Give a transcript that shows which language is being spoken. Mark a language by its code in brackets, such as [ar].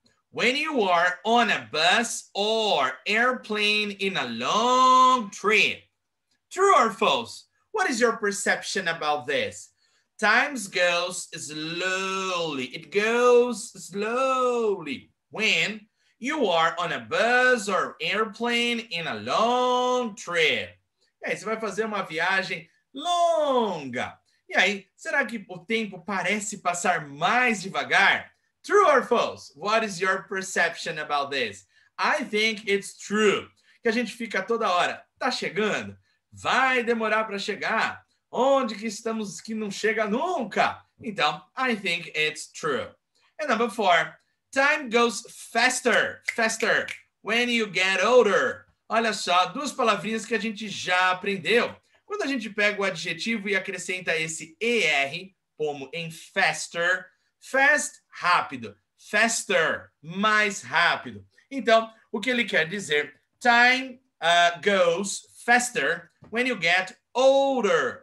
[en] When you are on a bus or airplane in a long trip. True or false? What is your perception about this? Time goes slowly. It goes slowly. When you are on a bus or airplane in a long trip. [pt] E aí, você vai fazer uma viagem longa. E aí, será que o tempo parece passar mais devagar? [en] True or false? What is your perception about this? I think it's true. [pt] Que a gente fica toda hora, tá chegando? Vai demorar para chegar? Onde que estamos que não chega nunca? [en] Então, I think it's true. And number four, time goes faster, faster, when you get older. [pt] Olha só, duas palavrinhas que a gente já aprendeu. Quando a gente pega o adjetivo e acrescenta esse er, como em faster, fast, rápido, faster, mais rápido. Então, o que ele quer dizer? [en] Time goes faster when you get older.